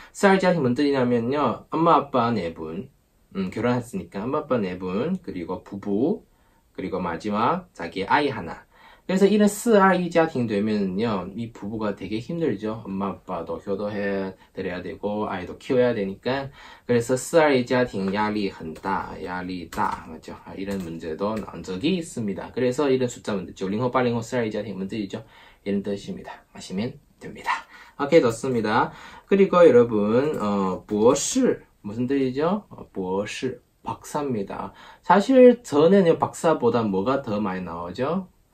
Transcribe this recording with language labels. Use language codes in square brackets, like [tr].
[ko] 421家庭 뭔 뜻이냐면요, 엄마, 아빠 네 분, 결혼했으니까 엄마, 아빠 네 분, 그리고 부부, 그리고 마지막 자기 아이 하나. 그래서 이런 421家庭 되면은요, 이 부부가 되게 힘들죠. 엄마, 아빠도 효도해 드려야 되고, 아이도 키워야 되니까. 그래서 [zh] 421家庭 压力很大, 压力大, [ko] 맞죠? 이런 문제도 나온 적이 있습니다. 그래서 이런 숫자 문제, 90호, 80호, 421家庭 문제이죠. 이런 뜻입니다. 아시면 됩니다. 오케이, 좋습니다. 그리고 여러분, 博士, 무슨 뜻이죠? 博士, 박사입니다. 사실 전에는 박사보다 뭐가 더 많이 나오죠?